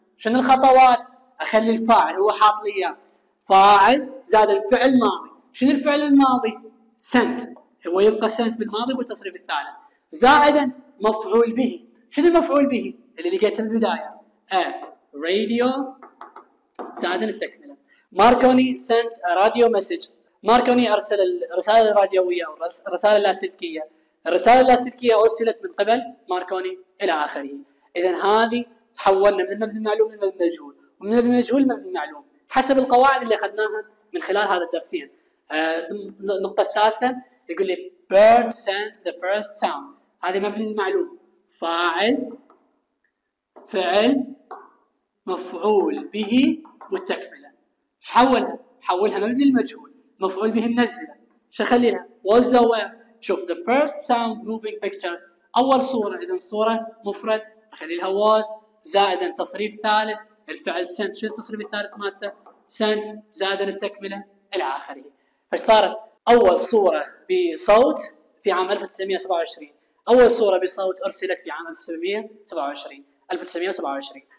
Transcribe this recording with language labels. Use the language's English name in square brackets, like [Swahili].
[Arabic] شنو الخطوات؟ اخلي الفاعل، هو حاط لي اياه فاعل زاد الفعل الماضي. شنو الفعل الماضي؟ سنت، هو يبقى سنت بالماضي بالتصريف الثالث زائدا مفعول به. شنو المفعول به اللي لقيته في البدايه؟ راديو تساعدنا التكملة. [English] Marconi sent a radio message. [Arabic] ماركوني أرسل الرسالة الراديوية أو الرسالة اللاسلكية. الرسالة اللاسلكية أرسلت من قبل ماركوني إلى آخره. إذن هذه حولنا من المبني المعلوم إلى المبني المجهول، ومن المبني المجهول إلى المبني المعلوم حسب القواعد اللي أخذناها من خلال هذا الدرسين. النقطة الثالثة يقول لي [English] bird sent the first sound. [Arabic] هذه مبني المعلوم، فاعل، فعل، مفعول به والتكملة. حولها مبني المجهول، مفعول به منزلة. شو خلينا؟ was the where. شوف [English] the first sound moving pictures، [Arabic] أول صورة. إذن صورة مفرد خلي لها was، زائدا تصريف ثالث الفعل sent. شو التصريف الثالث مالته؟ sent، زائدا التكملة إلى آخره. فصارت أول صورة بصوت في عام 1927، أول صورة بصوت أرسلت في عام 1927.